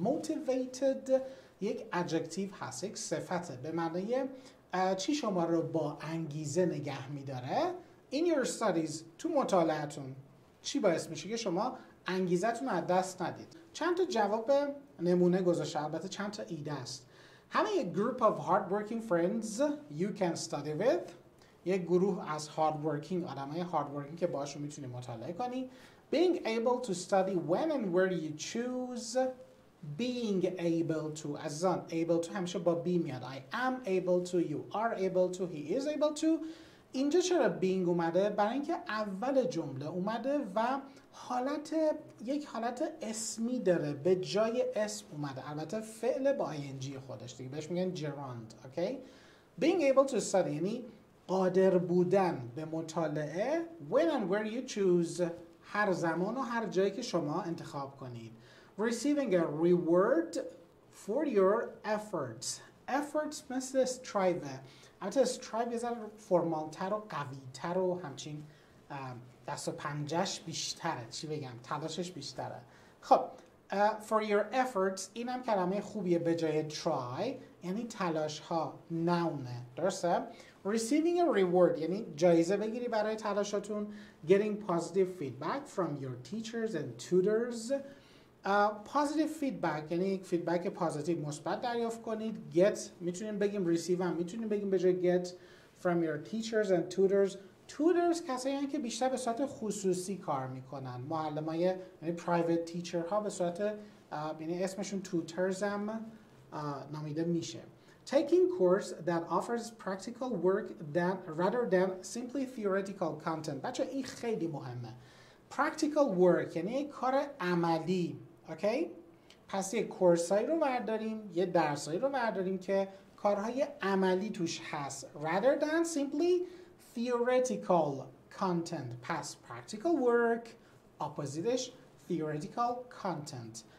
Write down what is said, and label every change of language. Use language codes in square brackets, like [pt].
[fa] Motivated یک adjective هست، یک صفته به معنی چی شما رو با انگیزه نگه میداره؟ [en] In your studies، [fa] تو مطالعتون چی باعث میشه که شما انگیزتون رو از دست ندید؟ چند تا جواب نمونه گذاشته، البته چند تا ایده است. [en] Having a group of hardworking friends you can study with. [fa] یک گروه از hardworking، آدم های hardworking که باشون میتونی مطالعه کنی. [en] Being able to study when and where you choose. Being able to، عزیزان able to همیشه با be میاد. I am able to، you are able to، he is able to. [fa] اینجا چرا being اومده؟ برای اینکه اول جمله اومده و حالت یک حالت اسمی داره، به جای اسم اومده. البته فعل با ing خودش دیگه، بهش میگن gerund. [en] okay. Being able to study [fa] یعنی قادر بودن به مطالعه. [en] When and where you choose، [fa] هر زمان و هر جایی که شما انتخاب کنید. [en] Receiving a reward for your efforts. Efforts مثل strive. [fa] البته strive یه ذره فرمالتر و قویتر و همچین دست و پنجهش بیشتره. چی بگم؟ تلاشش بیشتره. خب [en] for your efforts، [fa] اینم کلمه خوبیه به جای try، یعنی تلاش ها، نونه، درسته؟ [en] Receiving a reward [fa] یعنی جایزه بگیری برای تلاشاتون. [en] Getting positive feedback from your teachers and tutors. [fa] Positive feedback یعنی یک feedback positive، مثبت دریافت کنید. Get میتونیم بگیم، receive هم میتونیم بگیم به جای get. [en] From your teachers and tutors. [fa] Tutors کسایی هستند که بیشتر به صورت خصوصی کار میکنن. معلم های یعنی private teacher ها به صورت یعنی اسمشون tutors هم نامیده میشه. [en] Taking course that offers practical work than rather than simply theoretical content. [fa] بچه این خیلی مهمه. Practical work یعنی کار عملی. اوکی؟ پس یه کورسایی رو برداریم، یه درسایی رو برداریم که کارهای عملی توش هست. [en] Rather than simply theoretical content. [fa] پس practical work opposite-ش theoretical content.